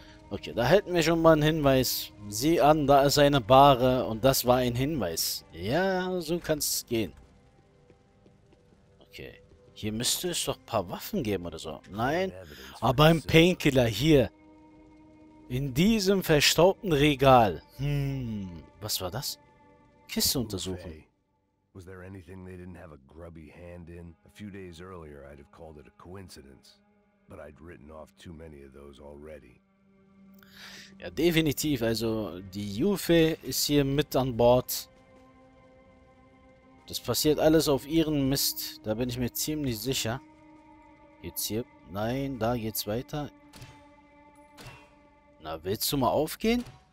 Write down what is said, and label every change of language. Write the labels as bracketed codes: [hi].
[de] Okay, da hätten wir schon mal einen Hinweis. Sieh an, da ist eine Bahre und das war ein Hinweis. Ja, so kann es gehen. Okay. Hier müsste es doch ein paar Waffen geben oder so. Nein, aber ein Painkiller hier. In diesem verstaubten Regal. Hm, was war das? Kiste untersuchen. [en] Was there anything they didn't have a grubby hand in? A few days earlier, I'd have called it a coincidence. But I'd written off too many of those already. [de] Ja, definitiv. Also, die Yuffie ist hier mit an Bord. Das passiert alles auf ihren Mist. Da bin ich mir ziemlich sicher. Geht's hier? Nein, da geht's weiter. Na, willst du mal aufgehen?